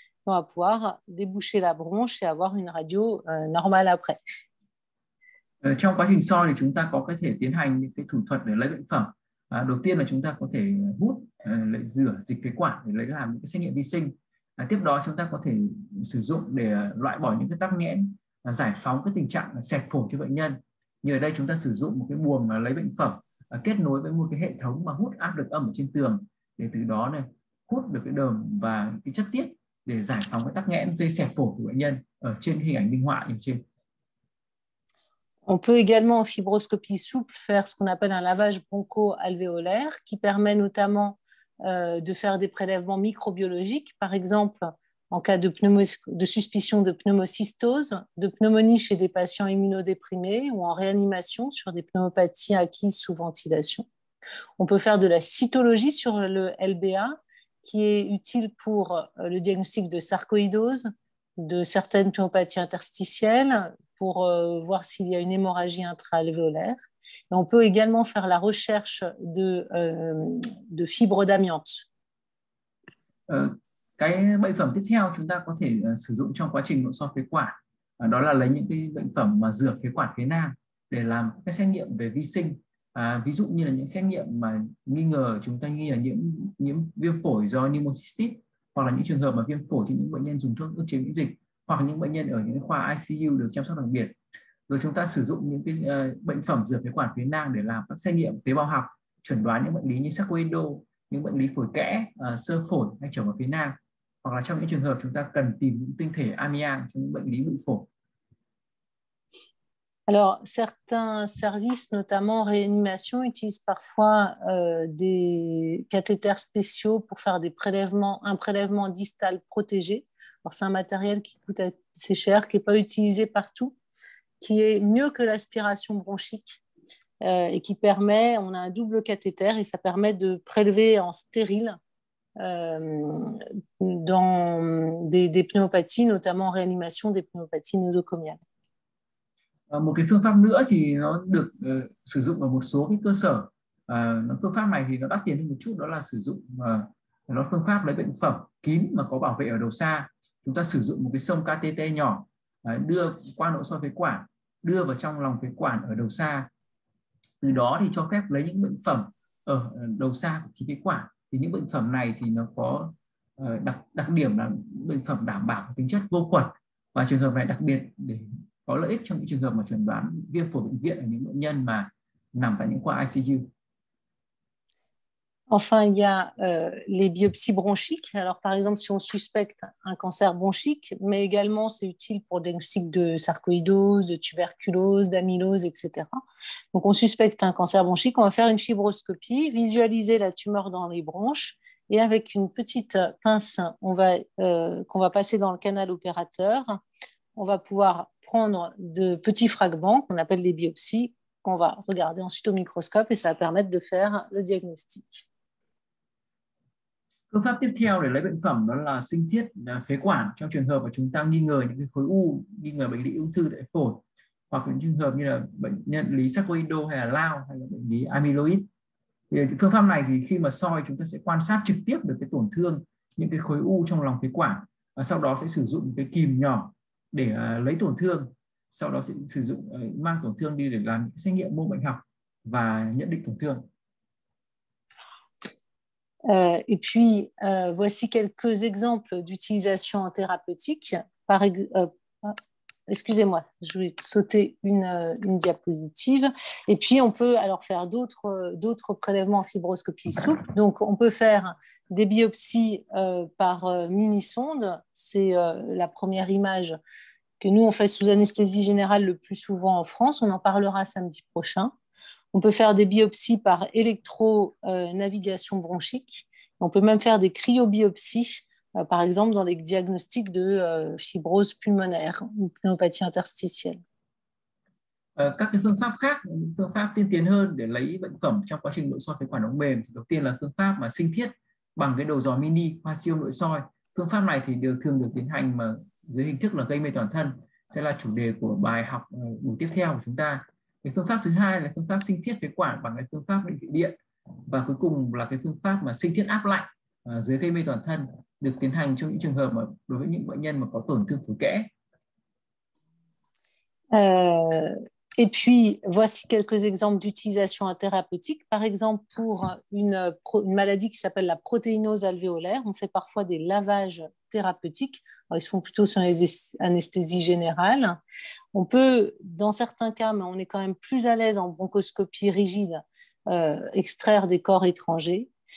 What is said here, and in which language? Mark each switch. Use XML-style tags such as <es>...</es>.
<fr>On va pouvoir déboucher la bronche et avoir une radio normale après.</fr> <vi>Trong quá trình soi thì chúng ta có thể tiến hành những cái thủ thuật để lấy bệnh phẩm. Đầu tiên là chúng ta có thể hút, lấy rửa dịch phế quản để lấy làm những cái xét nghiệm vi sinh. Tiếp đó chúng ta có thể sử dụng để loại bỏ những cái tắc nghẽn, giải phóng cái tình trạng xẹp phổi cho bệnh nhân. Như ở đây chúng ta sử dụng một cái buồng lấy bệnh phẩm kết nối với một cái hệ thống mà hút áp lực âm ở trên tường để từ đó này hút được cái đờm và cái chất tiết để giải phóng cái tắc nghẽn dây xẹp phổi của bệnh nhân ở trên hình ảnh minh họa ở trên.</vi> <fr>On peut également en fibroscopie souple faire ce qu'on appelle un lavage broncho-alvéolaire qui permet notamment de faire des prélèvements microbiologiques, par exemple en cas de suspicion de pneumocystose, de pneumonie chez des patients immunodéprimés ou en réanimation sur des pneumopathies acquises sous ventilation. On peut faire de la cytologie sur le LBA qui est utile pour le diagnostic de sarcoïdose, de certaines pneumopathies interstitielles, pour voir s'il y a une hémorragie intra-alvéolaire. Et on peut également faire la recherche de fibres d'amiante.</fr> <vi>Cái bệnh phẩm tiếp theo chúng ta có thể sử dụng trong quá trình nội soi phế quản, đó là lấy những cái bệnh phẩm mà rửa phế quản phế nang để làm cái xét nghiệm về vi sinh. Ví dụ như là những xét nghiệm mà nghi ngờ chúng ta nghi là nhiễm viêm phổi do pneumocystis hoặc là những trường hợp mà viêm phổi thì những bệnh nhân dùng thuốc ức chế miễn dịch hoặc những bệnh nhân ở những khoa ICU được chăm sóc đặc biệt. Rồi chúng ta sử dụng những cái bệnh phẩm rửa phế quản phế nang để làm các xét nghiệm tế bào học, chẩn đoán những bệnh lý như sarcoidosis, những bệnh lý phổi kẽ, sơ phổi hay trở vào phế nang. Hoặc là trong những trường hợp chúng ta cần tìm những tinh thể amiang trong những bệnh lý bụi phổi.</vi> <fr>Alors, certains services, notamment réanimation, utilisent parfois des cathéters spéciaux pour faire un prélèvement distal protégé. C'est un matériel qui coûte assez cher, qui n'est pas utilisé partout. qui est mieux que l'aspiration bronchique et qui permet, on a un double cathéter et ça permet de prélever en stérile dans des pneumopathies, notamment en réanimation des pneumopathies nosocomiales.</fr> <vi>Một cái phương pháp nữa thì nó được sử dụng ở một số cái cơ sở. Phương pháp này thì nó đắt tiền hơn một chút, đó là sử dụng nó phương pháp lấy bệnh phẩm kín mà có bảo vệ ở đầu xa. Chúng ta sử dụng một cái sông KTT nhỏ đưa qua nội soi phế quản, đưa vào trong lòng phế quản ở đầu xa. Từ đó thì cho phép lấy những bệnh phẩm ở đầu xa của khí phế quản. Thì những bệnh phẩm này thì nó có đặc điểm là bệnh phẩm đảm bảo tính chất vô khuẩn, và trường hợp này đặc biệt để có lợi ích trong những trường hợp mà chẩn đoán viêm phổi bệnh viện ở những bệnh nhân mà nằm tại những khoa ICU.</vi> <fr>Enfin, il y a les biopsies bronchiques. Alors, par exemple, si on suspecte un cancer bronchique, mais également, c'est utile pour diagnostic de sarcoïdose, de tuberculose, d'amylose, etc. Donc, on suspecte un cancer bronchique, on va faire une fibroscopie, visualiser la tumeur dans les bronches, et avec une petite pince qu'on va passer dans le canal opérateur, on va pouvoir prendre de petits fragments, qu'on appelle des biopsies, qu'on va regarder ensuite au microscope et ça va permettre de faire le diagnostic.</fr> <vi>Phương pháp tiếp theo để lấy bệnh phẩm đó là sinh thiết phế quản trong trường hợp mà chúng ta nghi ngờ những cái khối u, nghi ngờ bệnh lý ung thư tại phổi hoặc những trường hợp như là bệnh nhân lý sarcoido hay là lao hay là bệnh lý amyloid. Thì phương pháp này thì khi mà soi chúng ta sẽ quan sát trực tiếp được cái tổn thương những cái khối u trong lòng phế quản và sau đó sẽ sử dụng cái kìm nhỏ để lấy tổn thương. Sau đó sẽ sử dụng mang tổn thương đi để làm xét nghiệm mô bệnh học và nhận định tổn thương.</vi> <fr>Et puis voici quelques exemples d'utilisation en thérapeutique. Par excusez-moi, je vais sauter une diapositive. Et puis on peut alors faire d'autres prélèvements en fibroscopie souple. Donc on peut faire des biopsies par mini-sonde. C'est la première image que nous, on fait sous anesthésie générale le plus souvent en France. On en parlera samedi prochain. On peut faire des biopsies par électronavigation bronchique. On peut même faire des cryobiopsies, par exemple, dans les diagnostics de fibrose pulmonaire ou pneumopathie interstitielle.</fr> <vi>Các phương pháp khác, phương pháp tiên tiến hơn để lấy bệnh phẩm trong quá trình nội soi phế quản ống mềm. Đầu tiên là phương pháp mà sinh thiết bằng cái đầu dò mini qua siêu nội soi. Phương pháp này thì thường được tiến hành mà dưới hình thức là gây mê toàn thân, sẽ là chủ đề của bài học buổi tiếp theo của chúng ta. Cái phương pháp thứ hai là phương pháp sinh thiết phế quản bằng cái phương pháp bệnh viện điện, và cuối cùng là cái phương pháp mà sinh thiết áp lạnh dưới gây mê toàn thân, được tiến hành trong những trường hợp mà đối với những bệnh nhân mà có tổn thương phổi kẽ.</vi> <fr>Et puis voici quelques exemples d'utilisation en thérapeutique. Par exemple, pour une maladie qui s'appelle la protéinose alvéolaire, on fait parfois des lavages thérapeutiques. Alors, ils se font plutôt sur les anesthésies générales. On peut, dans certains cas, mais on est quand même plus à l'aise en bronchoscopie rigide, extraire des corps étrangers.</fr>